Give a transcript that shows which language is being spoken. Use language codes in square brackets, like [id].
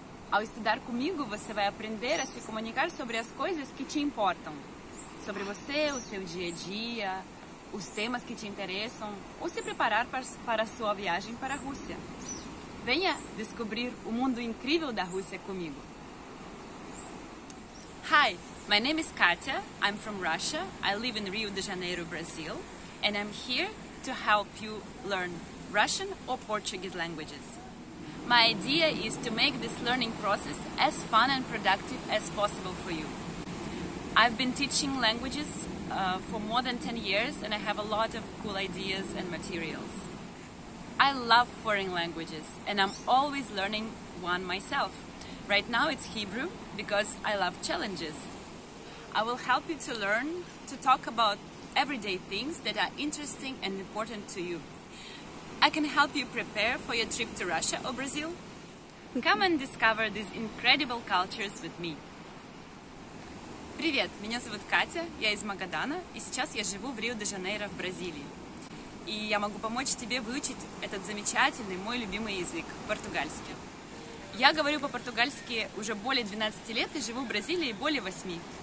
[pt] Ao estudar comigo, você vai aprender a se comunicar sobre as coisas que te importam, sobre você, o seu dia a dia, os temas que te interessam, ou se preparar para a sua viagem para a Rússia. Venha descobrir o mundo incrível da Rússia comigo. [en] Hi, my name is Katya. I'm from Russia. I live in Rio de Janeiro, Brazil, and I'm here to help you learn Russian or Portuguese languages. My idea is to make this learning process as fun and productive as possible for you. I've been teaching languages for more than 10 years and I have a lot of cool ideas and materials. I love foreign languages and I'm always learning one myself. Right now it's Hebrew because I love challenges. I will help you to learn to talk about everyday things that are interesting and important to you. I can help you prepare for your trip to Russia or Brazil. Come and discover these incredible cultures with me. [ru] Привет, меня зовут Катя, я из Магадана, и сейчас я живу в Рио-де-Жанейро, в Бразилии. И я могу помочь тебе выучить этот замечательный, мой любимый язык, португальский. Я говорю по-португальски уже более 12 лет и живу в Бразилии более 8.